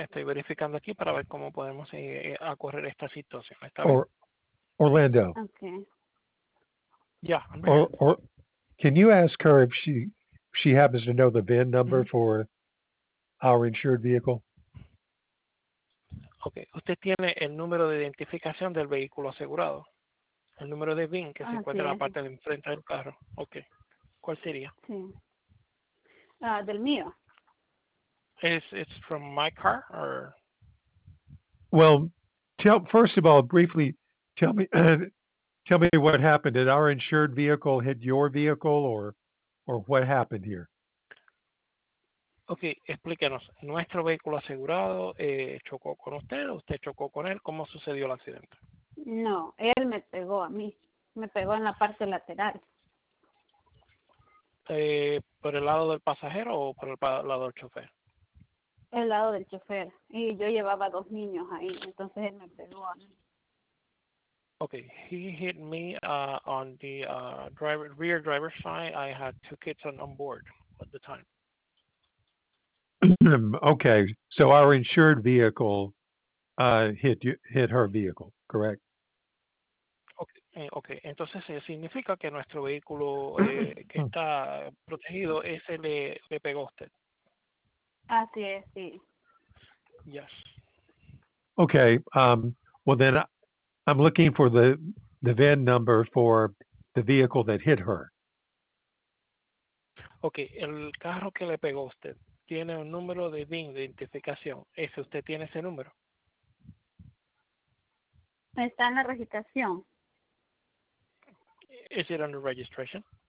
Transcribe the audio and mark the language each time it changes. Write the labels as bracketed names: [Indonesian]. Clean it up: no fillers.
[Spanish] Estoy verificando aquí para ver cómo podemos acorrer esta situación. Orlando. Okay. Yeah. [English] Or can you ask her if she happens to know the VIN number for our insured vehicle? Okay. [Spanish] Usted tiene el número de identificación del vehículo asegurado. El número de VIN que se encuentra en la parte de enfrente del carro. Okay. ¿Cuál sería? Sí. Del mío. [English] It's from my car or? Well, first of all, briefly, tell me. Tell me what happened. Did our insured vehicle hit your vehicle or what happened here? [Spanish] Okay, explíquenos. ¿Nuestro vehículo asegurado chocó con usted? ¿Usted chocó con él? ¿Cómo sucedió el accidente? No, él me pegó a mí. Me pegó en la parte lateral. ¿Por el lado del pasajero o por el lado del chofer? El lado del chofer. Y yo llevaba dos niños ahí, entonces él me pegó a mí. [English] Okay, he hit me on the rear driver's side. I had two kids on board at the time. Okay, so our insured vehicle hit her vehicle, correct? Okay. [Spanish] Entonces significa que nuestro vehículo que está protegido ese le pegó usted. Así es, sí. [English] Yes. Okay. Well then. I'm looking for the VIN number for the vehicle that hit her. [Spanish] Okay, el carro que le pegó usted tiene un número de VIN de identificación. ¿Ese usted tiene ese número? Está en la registración. [English] Is it under registration?